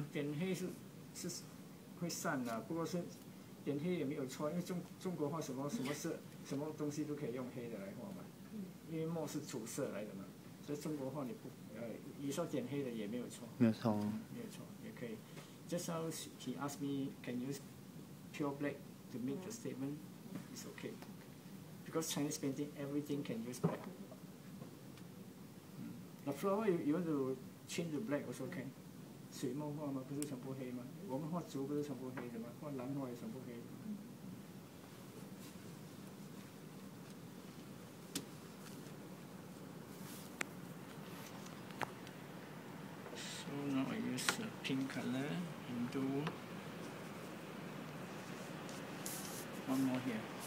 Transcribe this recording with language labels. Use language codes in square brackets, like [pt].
[zh] 点黑是会散的、不过是点黑也没有错，因为中国画什么东西都可以用黑的来画嘛，因为墨是主色来的嘛，所以中国画你不你说点黑的也没有错，没有错、没有错也可以。 [en] Just how he asked me, can use pure black to make the statement? It's okay, because Chinese painting everything can use black. The flower you want to change to black also can. [zh] 水墨画吗？不是全部黑吗？我们画竹不是全部黑的吗？画兰花也全部黑的。 [en] So now I use a pink color and do one more here.